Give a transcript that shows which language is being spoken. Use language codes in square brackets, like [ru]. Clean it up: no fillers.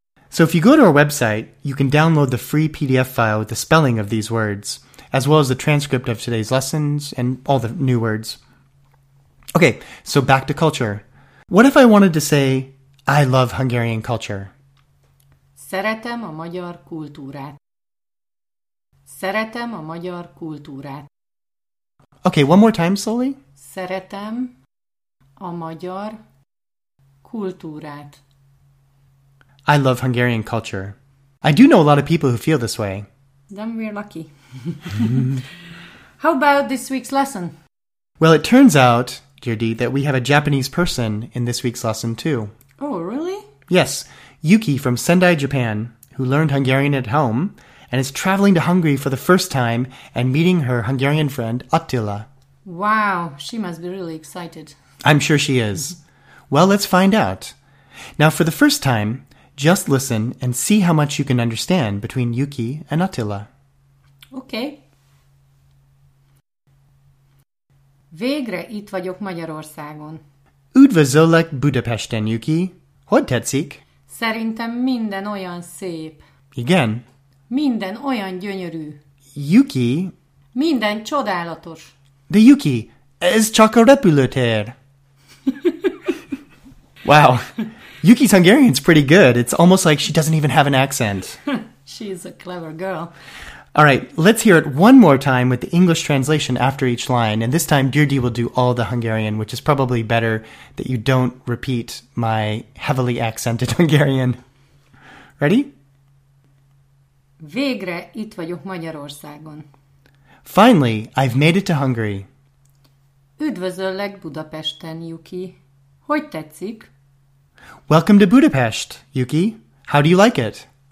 [en] So if you go to our website, you can download the free PDF file with the spelling of these words, as well as the transcript of today's lessons and all the new words. Okay, so back to culture. What if I wanted to say, I love Hungarian culture? [hu] Szeretem a magyar kultúrát. Szeretem a magyar kultúrát. [en] Okay, one more time slowly. [hu] Szeretem a magyar kultúrát. [en] I love Hungarian culture. I do know a lot of people who feel this way. Then we're lucky. How about this week's lesson? Well, it turns out, dear Dee, that we have a Japanese person in this week's lesson, too. Oh, really? Yes. Yuki from Sendai, Japan, who learned Hungarian at home, and is traveling to Hungary for the first time and meeting her Hungarian friend, Attila. Wow, she must be really excited. I'm sure she is. Well, let's find out. Now, for the first time, just listen and see how much you can understand between Yuki and Attila. Okay. [hu] Végre itt vagyok Magyarországon. Üdvözöllek Budapesten, Yuki. Hogy tetszik? Szerintem minden olyan szép. Igen. Minden olyan gyönyörű. Yuki. Minden csodálatos. De Yuki, ez csak a repülőtér. [en] Wow. Yuki's Hungarian's pretty good. It's almost like she doesn't even have an accent. She's a clever girl. All right, let's hear it one more time with the English translation after each line. And this time, Dirdi will do all the Hungarian, which is probably better that you don't repeat my heavily accented Hungarian. Ready? [hu] Végre itt vagyok Magyarországon. [en] Finally, I've made it to Hungary. [hu] Üdvözöllek Budapesten, Yuki. Hogy tetszik? [en] Welcome to Budapest, Yuki. How do you like it?